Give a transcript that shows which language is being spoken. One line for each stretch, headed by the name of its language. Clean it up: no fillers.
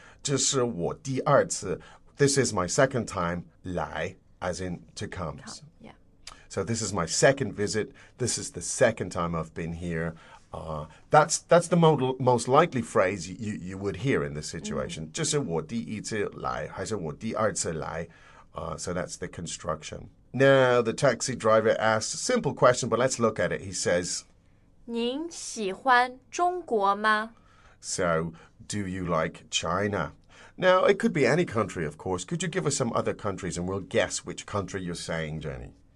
Chinese: 这是我第二次,
English: this is my second time
Chinese: 来。
English: As in, to come. Yeah. So this is my second visit. This is the second time I've been here. That's the most likely phrase you would hear in this situation.
Chinese: 就是我第一次来,还是我第二次来?
English: So that's the construction. Now, the taxi driver asks a simple question, but let's look at it. He says,
Chinese: 您喜欢中国吗?
English: So, do you like China? Now, it could be any country, of course. Could you give us some other countries and we'll guess which country you're saying, Jenny?